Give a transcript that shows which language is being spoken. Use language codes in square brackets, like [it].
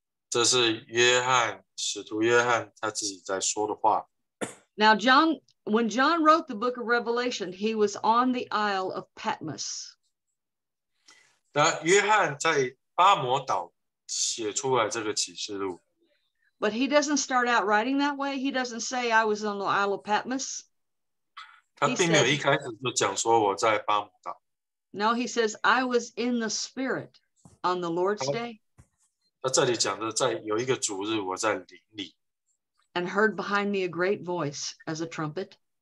[zh] 这是约翰,使徒约翰他自己在说的话. [en] Now John, when John wrote the book of Revelation, he was on the Isle of Patmos. [zh] 约翰在巴摩岛写出来这个启示录. [en] But he doesn't start out writing that way. He doesn't say, I was on the Isle of Patmos. [zh] 他并没有一开始就讲说我在巴摩岛. [en] No, he says, I was in the Spirit on the Lord's Day. [zh] 他这里讲的在有一个主日我在灵里. [en] And heard behind me a great voice as a trumpet.